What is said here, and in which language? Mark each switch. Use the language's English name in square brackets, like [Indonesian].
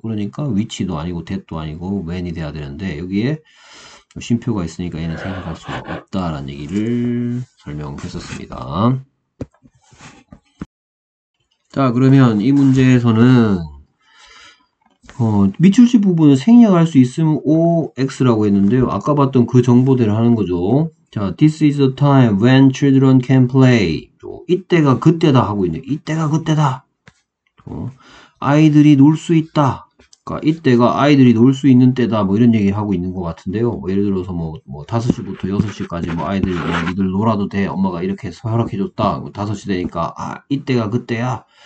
[Korean] 그러니까 위치도 아니고 that도 아니고 when이 돼야 되는데 여기에 쉼표가 있으니까 얘는 생략할 수가 없다라는 얘기를 설명했었습니다. 자, 그러면 이 문제에서는 밑줄지 부분을 생략할 수 있으면 OX라고 했는데요. 아까 봤던 그 정보대로 하는 거죠. [English] 자, This is the time when children can play. [Korean] 이때가 그때다 하고 있네요. 이때가 그때다. 아이들이 놀수 있다. 그러니까 이때가 아이들이 놀수 있는 때다 뭐 이런 얘기를 하고 있는 것 같은데요. 뭐 예를 들어서 뭐 5시부터 6시까지 뭐 아이들이 뭐 이들 놀아도 돼. 엄마가 이렇게 허락해줬다. 뭐 5시 되니까 아 이때가 그때야.